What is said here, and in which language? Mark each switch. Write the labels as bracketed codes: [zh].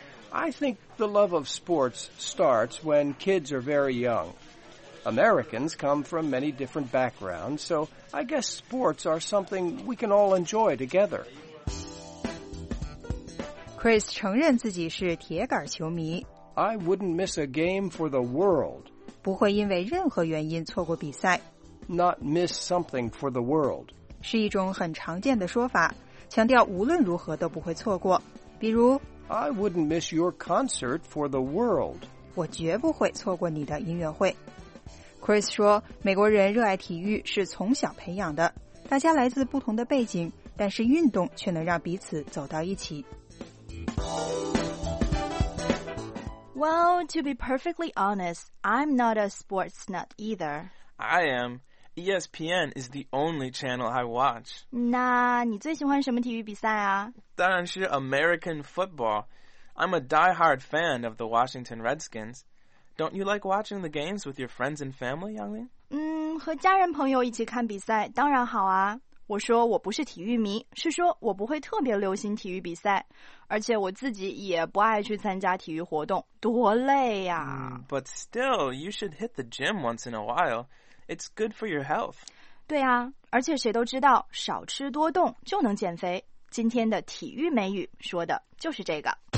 [en] I think the love of sports starts when kids are very young. Americans come from many different backgrounds, so I guess sports are something we can all enjoy together. [zh] Chris 承认自己是铁杆球迷。 [en] I wouldn't miss a game for the world. [zh] 不会因为任何原因错过比赛。 [en] Not miss something for the world [zh] 是一种很常见的说法，强调无论如何都不会错过。比如 [en] I wouldn't miss your concert for the world [zh] 我绝不会错过你的音乐会。Chris 说，美国人热爱体育是从小培养的，大家来自不同的背景，但是运动却能让彼此走到一起。 [en] Well, to be perfectly honest, I'm not a sports nut either. I am. ESPN is the only channel I watch. [zh] 那你最喜欢什么体育比赛啊？当然是 [en] American football. I'm a die-hard fan of the Washington Redskins. Don't you like watching the games with your friends and family, Yanglin? [zh] 和家人朋友一起看比赛当然好啊。我说我不是体育迷，是说我不会特别流行体育比赛，而且我自己也不爱去参加体育活动，多累呀。 [en] But still, you should hit the gym once in a while. It's good for your health. [zh] 对啊，而且谁都知道少吃多动就能减肥。今天的体育美语说的就是这个。